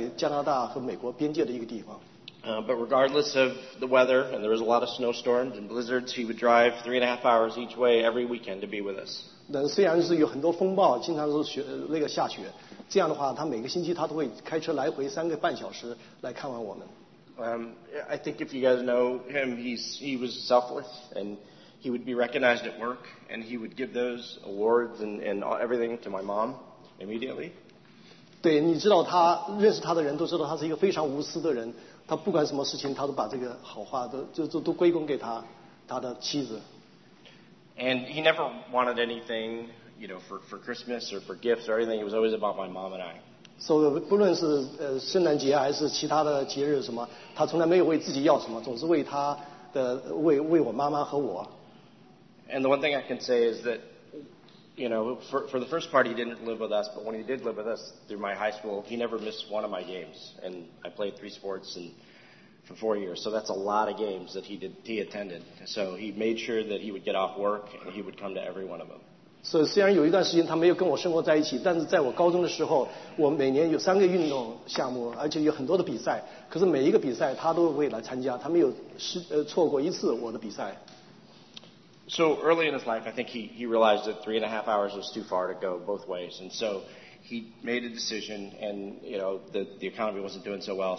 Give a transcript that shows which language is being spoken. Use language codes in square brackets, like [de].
[zh] 所以有很长一段时间，他和我母亲不跟我们生活在一起。他生活在加拿大和美国边界的一个地方。 [en] But regardless of the weather, and there was a lot of snowstorms and blizzards, he would drive 3.5 hours each way every weekend to be with us. [zh] 虽然是有很多风暴，经常都下雪，这样的话，他每个星期他都会开车来回3.5个小时来看望我们。 [en] I think if you guys know him, he was selfless, and he would be recognized at work, and he would give those awards and everything to my mom immediately. [zh] 对，你知道他认识他的人都知道他是一个非常无私的人。他不管什么事情，他都把这个好话都归功给他的妻子。 [en] And he never wanted anything, you know, for Christmas or for gifts or anything. It was always about my mom and I. [zh] So 不论是圣诞节还是其他的节日什么，他从来没有为自己要什么，总是为他为我妈妈和我。 [en] And the one thing I can say is that, you know, for the first part, he didn't live with us, but when he did live with us through my high school, he never missed one of my games. And I played three sports and for 4 years. So that's a lot of games that he attended. So he made sure that he would get off work and he would come to every one of them. [zh] 所以虽然有一段时间他没有跟我生活在一起，但是在我高中的时候，我每年有三个运动项目，而且有很多的比赛。可是每一个比赛他都会来参加，他没有错过一次我的比赛。 [en] So early in his life, I think he realized that 3.5 hours was too far to go both ways. And so he made a decision, and you know, the economy wasn't doing so well.